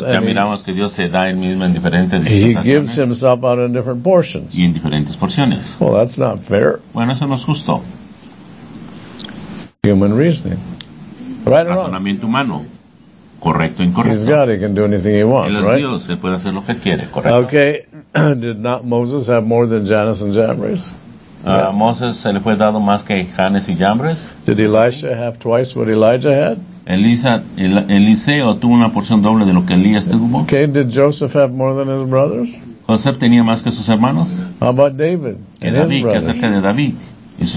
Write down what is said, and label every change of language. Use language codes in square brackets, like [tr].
[es] Ya miramos que Dios se da el mismo en diferentes dispensaciones. [en] He gives Himself out in different portions. [es] Y en diferentes porciones. [en] Well, that's not fair. [es] Bueno, eso no es justo. [en] Human reasoning, right or wrong? [es] Razonamiento humano, correcto o incorrecto. [en] He's God; He can do anything He wants, right? [es] Él es Dios; Él puede hacer lo que quiere, correcto. [en] Okay, did not Moses have more than Jannes and Jambres? [es] Moses se le fue dado más que Jannes y Jambres. [en] Did Elisha have twice what Elijah had? [es] Eliseo tuvo una porción doble de lo que Elías tuvo. [en] Okay, did Joseph have more than his brothers? [es] José tenía más que sus hermanos. [en] How about David and [es] David, [en] his brothers? [es] ¿Qué acerca de David y sus